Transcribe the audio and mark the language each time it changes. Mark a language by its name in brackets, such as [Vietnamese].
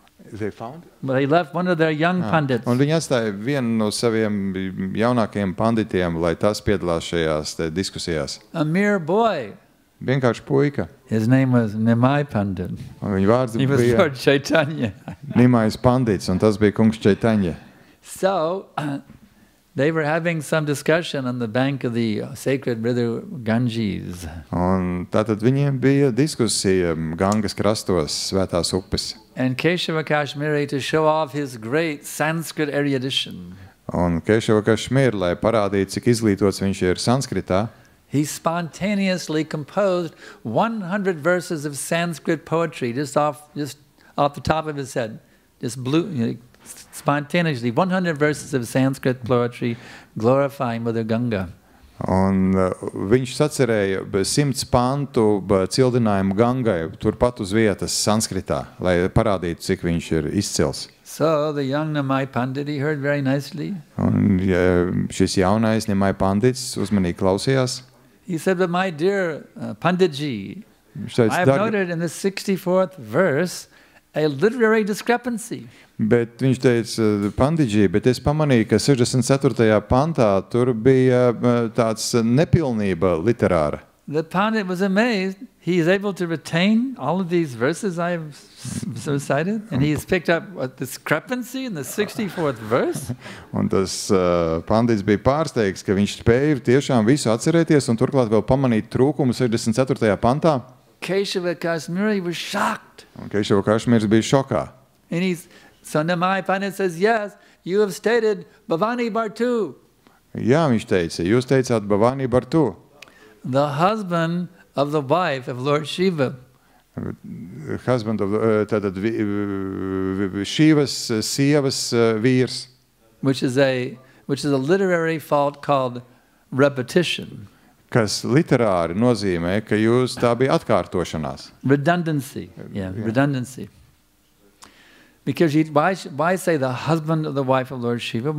[English] They found? They left one of their young pandits. [Latvian] Un viņi atstāja vienu no saviem jaunākajiem panditiem, lai tas piedalās šajās diskusijās. [English] A mere boy. [Latvian] Vienkārši puika. [English] His name was Nimai Pandit. [Latvian] Un viņa vārds bija... [English] He was Lord Chaitanya. [Latvian] Nimais pandits, un tas bija kungs Chaitanya. [English] So... They were having some discussion on the bank of the sacred river Ganges. [Latvian] Un tātad viņiem bija diskusija Gangas krastos svētās upes. [English] And Keshava Kashmiri to show off his great Sanskrit erudition. [Latvian] Un Keshava Kashmir, lai parādītu, cik izglītots viņš ir Sanskritā. [English] He spontaneously composed 100 verses of Sanskrit poetry just off the top of his head. Just blew, spontaneously 100 verses of Sanskrit poetry glorifying Mother Ganga. [Latvian] Un viņš sacerēja 100 pantu cildinājumu Gangai turpat uz vietas Sanskritā, lai parādītu, cik viņš ir izcils. [English] So the young Nimai pandit, he heard very nicely. [Latvian] Un šis jaunais Nimai pandits uzmanīgi klausījās. [English] He said, but my dear Panditji, I have noted in the 64th verse a literary discrepancy. [Latvian] Bet viņš teica, Pandidži, bet es pamanīju, ka 64. Pantā tur bija tāds nepilnība literāra. [English] The pandit was amazed. He is able to retain all of these verses I have recited, and he has picked up a discrepancy in the 64th verse. [Latvian] Un tas pandits bija pārsteigts, ka viņš spēja tiešām visu atcerēties un turklāt vēl pamanīt trūkumu 64. Pantā. [English] Keshava Kashmiri was shocked. [Latvian] Un Keshava Kashmiris bija šokā. [English] And he's So Nimai Pandit says, yes, you have stated Bhavani Bhartu. [Latvian] Jā, viņš teica, jūs teicāt Bhavani Bhartu. [English] The husband of the wife of Lord Shiva. Husband of [Latvian] tātad Shivas sievas vīrs. [English] Which is a literary fault called repetition. [Latvian] Kas literāri nozīmē, ka jūs tā bija atkārtošanās. [English] Redundancy, redundancy. Because why say the husband of the wife of Lord Shiva?